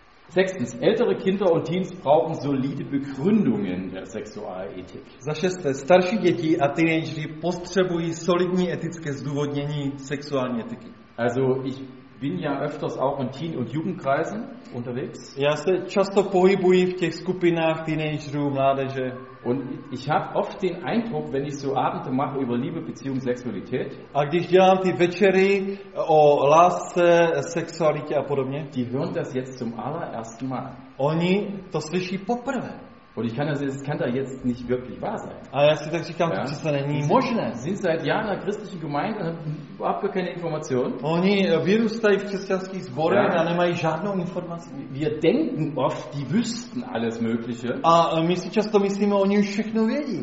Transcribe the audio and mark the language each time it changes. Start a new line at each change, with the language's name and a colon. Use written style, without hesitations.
German: Sechstens, ältere Kinder und Teens brauchen solide Begründungen der Sexualethik.
Czech: Za šesté, starší děti a teenageři potřebují solidní etické zdůvodnění sexuální etiky.
German: Also, ich bin ja öfters auch in Teen- und Jugendkreisen unterwegs.
Czech: Já se často pohybuji v těch skupinách teenagerů, mládeže.
German: Und ich habe oft den Eindruck, wenn ich so Abende mache über Liebe, Beziehung, Sexualität.
Czech: A když dělám ty večery o lásce, sexualitě a podobně.
German: Die hören das jetzt zum allerersten Mal.
Czech: Oni to slyší poprvé.
German: Und ich kann das jetzt, kann da jetzt nicht wirklich wahr sein.
Czech: A já si tak říkám, ja? To přece není možné.
German: Sind seit Jahren in der christlichen Gemeinde, habt gar keine Information.
Czech: Oni vyrůstají v křesťanských sborech, ja? A nemají žádnou informaci.
German: Wir denken oft, die wüssten alles mögliche.
Czech: A my si často myslíme, oni už všechno vědí.